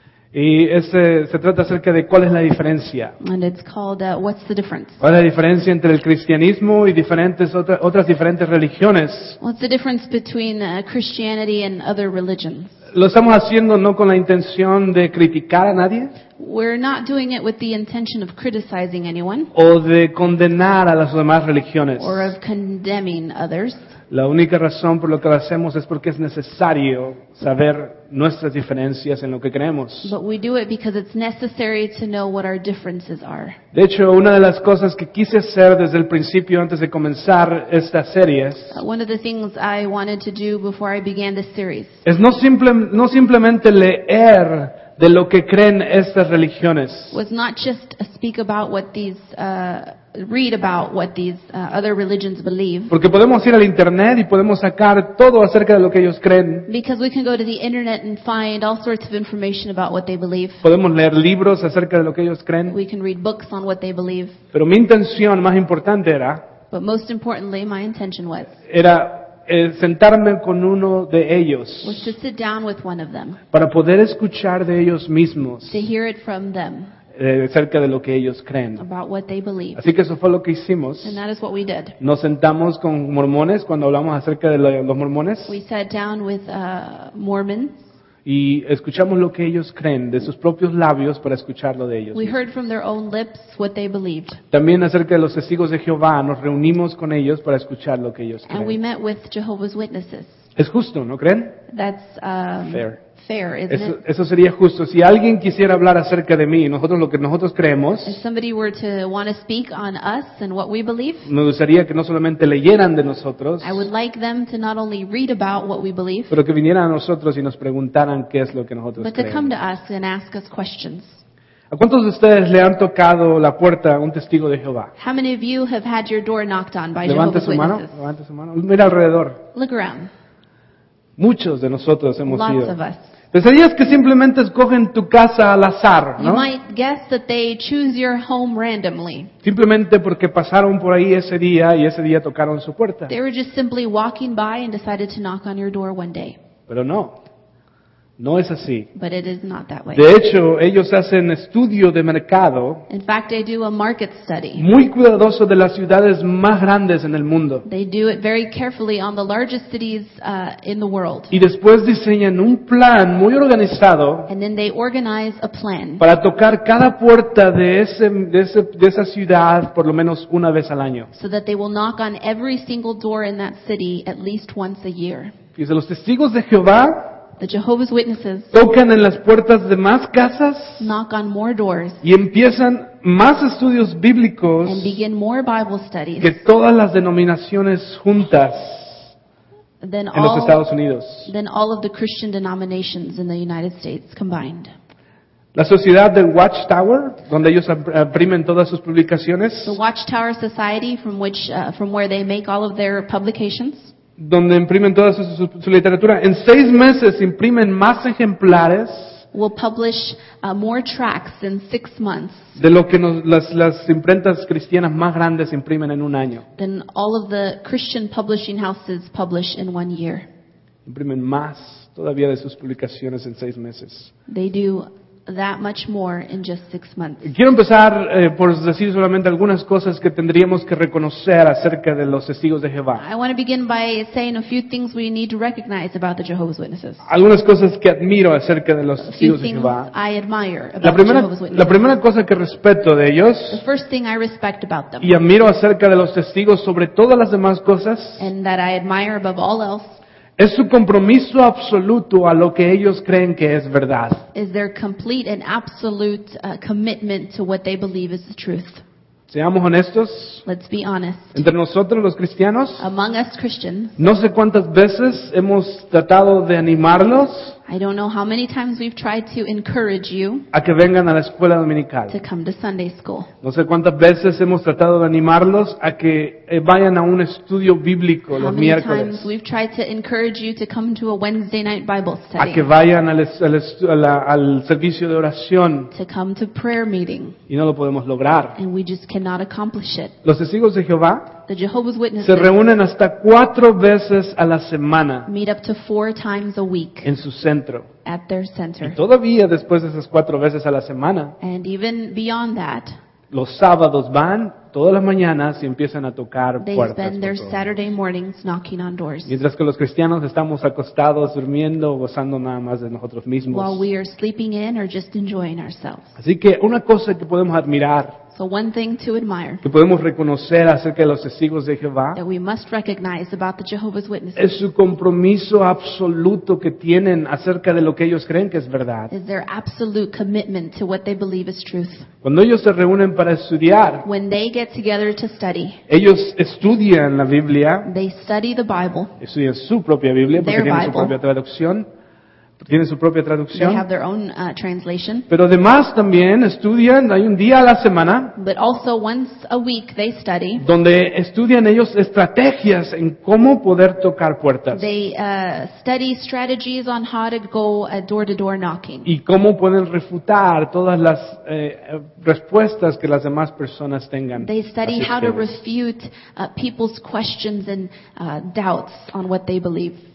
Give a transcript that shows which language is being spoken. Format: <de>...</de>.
<es>Y ese se trata acerca de cuál es la diferencia.</es> <en>And it's called What's the Difference?</en> <es>¿Cuál es la diferencia entre el cristianismo y diferentes otras diferentes religiones?</es> <en>What's the difference between Christianity and other religions?</en> <es>Lo estamos haciendo no con la intención de criticar a nadie.</es> <en>We're not doing it with the intention of criticizing anyone.</en> <es>O de condenar a las demás religiones.</es> <en>Or of condemning others.</en> <es>La única razón por lo que lo hacemos es porque es necesario saber nuestras diferencias en lo que creemos.</es> <en>But we do it because it's necessary to know what our differences are.</en> <es>De hecho, una de las cosas que quise hacer desde el principio antes de comenzar estas series,</es> <en>one of the things I wanted to do before I began this series,</en> <es>es no simplemente leer de lo que creen estas religiones.</es> <en>Was not just speak about what these read about what these other religions believe.</en> <es>Porque podemos ir al internet y podemos sacar todo acerca de lo que ellos creen.</es> <en>Because we can go to the internet and find all sorts of information about what they believe.</en> <es>Podemos leer libros acerca de lo que ellos creen.</es> <en>We can read books on what they believe.</en> <es>Pero mi intención más importante era,</es> <en>but most importantly, my intention was,</en> <es>era sentarme con uno de ellos.</es> <en>Was to sit down with one of them.</en> <es>Para poder escuchar de ellos mismos.</es> <en>To hear it from them.</en> <es>Acerca de lo que ellos creen.</es> <en>About what they believe.</en> <es>Así que eso fue lo que hicimos.</es> <en>And that is what we did.</en> <es>Nos sentamos con mormones cuando hablamos acerca de los mormones.</es> <en>We sat down with Mormons.</en> <es>Y escuchamos lo que ellos creen de sus propios labios para escucharlo de ellos.</es> <en>We heard from their own lips what they believed.</en> <es>También acerca de los testigos de Jehová, nos reunimos con ellos para escuchar lo que ellos creen.</es> <en>And we met with Jehovah's Witnesses.</en> <es>Es justo, ¿no creen?</es> <en>That's fair. Fair, isn't</en> <es>eso, it? Eso sería justo. Si alguien quisiera hablar acerca de mí, nosotros lo que nosotros creemos,</es> <en>if somebody were to want to speak on us and what we believe,</en> <es>me gustaría que no solamente leyeran de nosotros,</es> <en>I would like them to not only read about what we believe,</en> <es>pero que vinieran a nosotros y nos preguntaran qué es lo que nosotros creemos.</es> <en>But to come to us and ask us questions.</en> <es>¿A cuántos de ustedes le han tocado la puerta a un testigo de Jehová?</es> <en>How many of you have had your door knocked on by Jehovah's Witnesses?</en> <es>Levante su mano. Mira alrededor.</es> <en>Look around.</en> <es>Muchos de nosotros hemos</es> <en>lots</en> <es>ido.</es> <en>Of us.</en> <es>Pensarías que simplemente escogen tu casa al azar, ¿no?</es> <en>You might guess that they choose your home randomly.</en> <es>Simplemente porque pasaron por ahí ese día y ese día tocaron su puerta.</es> <en>They were just simply walking by and decided to knock on your door one day.</en> <es>Pero no. No es así.</es> <en>But it is not that way.</en> <es>De hecho, ellos hacen estudio de mercado.</es> <en>In fact, they do a market study.</en> <es>Muy cuidadoso de las ciudades más grandes en el mundo.</es> <en>They do it very carefully on the largest cities in the world.</en> <es>Y después diseñan un plan muy organizado.</es> <en>And then they organize a plan.</en> <es>Para tocar cada puerta de esa ciudad por lo menos una vez al año.</es> <en>So that they will knock on every single door in that city at least once a year.</en> <es>Y los testigos de Jehová.</es> <en>The Jehovah's Witnesses</en> <es>tocan en las puertas de más casas,</es> <en>knock on more doors,</en> <es>y empiezan más estudios bíblicos,</es> <en>and begin more Bible studies,</en> <es>que todas las denominaciones juntas</es> <en>than</en> <es>en los Estados Unidos.</es> <en>Than all of the Christian denominations in the United States combined.</en> <es>La sociedad del Watchtower, donde ellos imprimen todas sus publicaciones.</es> <en>The Watchtower Society, from where they make all of their publications.</en> <es>Donde imprimen toda su literatura. En seis meses imprimen más ejemplares.</es> <en>Will publish more tracts in 6 months.</en> <es>De lo que las imprentas cristianas más grandes imprimen en un año.</es> <en>Than all of the Christian publishing houses publish in 1 year.</en> <es>Imprimen más todavía de sus publicaciones en seis meses.</es> <en>They do that much more in just 6 months.</en> <es>Quiero empezar por decir solamente algunas cosas que tendríamos que reconocer acerca de los testigos de Jehová.</es> <en>I want to begin by saying a few things we need to recognize about the Jehovah's Witnesses.</en> <es>Algunas cosas que admiro acerca de los testigos de Jehová.</es> <en>A few things I admire about the Jehovah's Witnesses.</en> <es>La primera cosa que respeto de ellos.</es> <en>The first thing I respect about them.</en> <es>Y admiro acerca de los testigos sobre todas las demás cosas.</es> <en>And that I admire above all else.</en> <es>Es su compromiso absoluto a lo que ellos creen que es verdad.</es> <en>Is their complete and absolute commitment to what they believe is the truth.</en> <es>Seamos honestos.</es> <en>Let's be honest.</en> <es>Entre nosotros los cristianos.</es> <en>Among us Christians.</en> <es>No sé cuántas veces hemos tratado de animarlos.</es> <en>I don't know how many times we've tried to encourage you.</en> <es>A que vengan a la escuela dominical.</es> <en>To come to Sunday school.</en> <es>No sé cuántas veces hemos tratado de animarlos a que vayan a un estudio bíblico los miércoles.</es> <en>How many times we've tried to encourage you to come to a Wednesday night Bible study.</en> <es>A que vayan al servicio de oración.</es> <en>To come to prayer meeting.</en> <es>Y no lo podemos lograr.</es> <en>And we just cannot accomplish it.</en> <es>Los testigos de Jehová.</es> <en>The Jehovah's Witnesses</en> <es>se reúnen hasta cuatro veces a la semana.</es> <en>Meet up to 4 times a week.</en> <es>En su centro.</es> <en>At their center.</en> <es>Y todavía después de esas cuatro veces a la semana.</es> <en>And even beyond that.</en> <es>Los sábados van todas las mañanas y empiezan a tocar</es> <en>they</en> <es>puertas.</es> <en>They spend their Saturday mornings knocking on doors.</en> <es>Mientras que los cristianos estamos acostados durmiendo, gozando nada más de nosotros mismos.</es> <en>While we are sleeping in or just enjoying ourselves.</en> <es>Así que una cosa que podemos admirar.</es> <en>So one thing to admire.</en> <es>Que podemos reconocer acerca de los testigos de Jehová.</es> <en>That we must recognize about the Jehovah's Witnesses.</en> <es>Es su compromiso absoluto que tienen acerca de lo que ellos creen que es verdad.</es> <en>Is their absolute commitment to what they believe is truth.</en> <es>Cuando ellos se reúnen para estudiar.</es> <en>When they get together to study.</en> <es>Ellos estudian la Biblia.</es> <en>They study the Bible.</en> <es>Estudian su propia Biblia porque</es> <en>their</en> <es>tienen</es> <en>Bible.</en> <es>Su propia traducción. tienen su propia traducción.</es> <en>They have their own translation.</en> <es>Pero además también estudian, hay un día a la semana.</es> <en>But also once a week they study.</en> <es>Donde estudian ellos estrategias en cómo poder tocar puertas.</es> <en>They study strategies on how to go door to door knocking.</en> <es>Y cómo pueden refutar todas las respuestas que las demás personas tengan.</es> <en>They study how to refute people's questions and doubts on what they believe.</en>